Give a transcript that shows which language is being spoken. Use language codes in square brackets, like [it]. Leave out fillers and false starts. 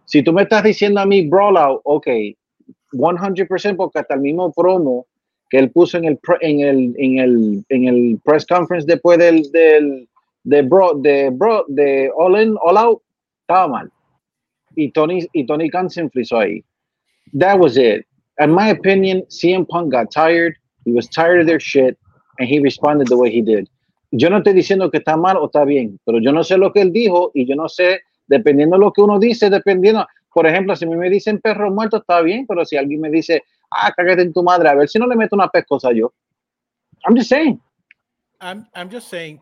[es] Si tú me estás diciendo a mí Brawl Out, ok, 100% porque hasta el mismo promo que él puso en el press conference después de All In, All Out, estaba mal. Y Tony Khan se enfrizó ahí. [en] That was it. In my opinion, CM Punk got tired, he was tired of their shit, and he responded the way he did. [es] Yo no estoy diciendo que está mal o está bien, pero yo no sé lo que él dijo y yo no sé, dependiendo de lo que uno dice, dependiendo, por ejemplo, si a mí me dicen perro muerto, está bien, pero si alguien me dice, ah, cágate en tu madre, a ver si no le meto una pescosa yo. [en] I'm just saying,